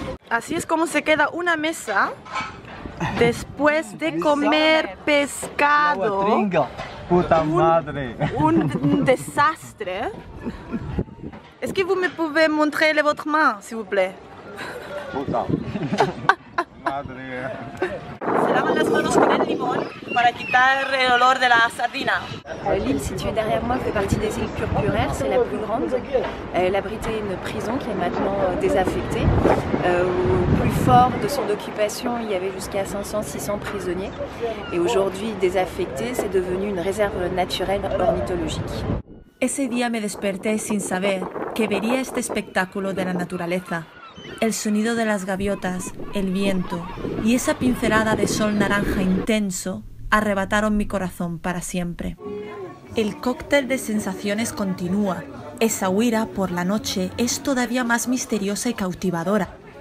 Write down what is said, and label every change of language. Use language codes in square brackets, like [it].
[es] Así es como se queda una mesa después de comer pescado. ¡Puta madre! Un desastre. ¿Es que [fr] vous me pouvez montrer le votre main, s'il vous plaît? [es] ¡Puta madre! Se lavan las manos con el limón para quitar el olor de la sardina. [fr] L'île située derrière moi fait partie des îles Purpuraires, c'est la plus grande. Elle abritait une prison qui est maintenant désaffectée. Au plus fort de son occupation, il y avait jusqu'à 500-600 prisonniers. Et aujourd'hui, désaffectée, c'est devenu une réserve naturelle ornithologique. [es] Ese día me desperté sin saber que vería este espectáculo de la naturaleza. El sonido de las gaviotas, el viento y esa pincelada de sol naranja intenso arrebataron mi corazón para siempre. El cóctel de sensaciones continúa. Essaouira, por la noche, es todavía más misteriosa y cautivadora.